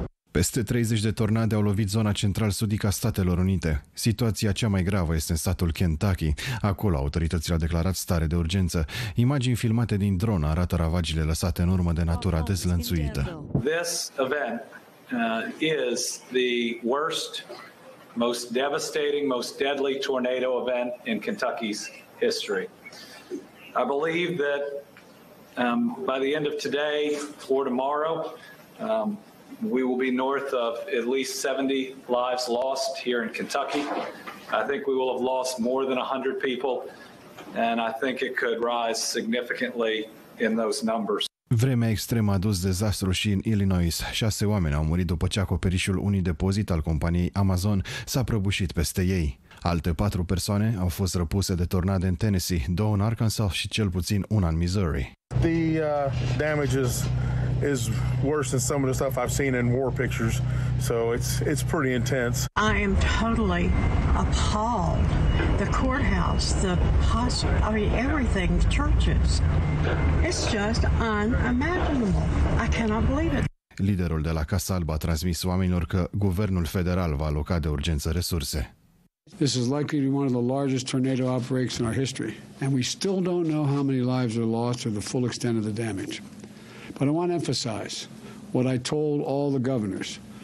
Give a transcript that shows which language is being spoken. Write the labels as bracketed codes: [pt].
[ro] Peste 30 de tornade au lovit zona central-sudică a Statelor Unite. Situația cea mai gravă este în statul Kentucky. Acolo autoritățile au declarat stare de urgență. Imagini filmate din dron arată ravagile lăsate în urmă de natura dezlănțuită. [en] This event is the worst, most devastating, most deadly tornado event in Kentucky's history. I believe that by the end of today or tomorrow, we will be north of at least 70 lives lost here in Kentucky. I think we will have lost more than 100 people, and I think it could rise significantly in those numbers. [ro] Vremea extremă a dus dezastru și în Illinois. 6 oameni au murit după ce acoperișul unui depozit al companiei Amazon s-a prăbușit peste ei. Alte 4 persoane au fost răpuse de tornade în Tennessee, 2 în Arkansas și cel puțin una în Missouri. [en] The damages is worse than some of the stuff I've seen in war pictures, so it's pretty intense. I am totally appalled. The courthouse, the hospital, I mean everything, the churches. It's just unimaginable. I cannot believe it. [ro] Liderul de la Casa Albă a transmis oamenilor că guvernul federal va aloca de urgență resurse. [en] This is likely to be one of the largest tornado outbreaks in our history, and we still don't know how many lives are lost or the full extent of the damage. But I want to emphasize what I told all the governors.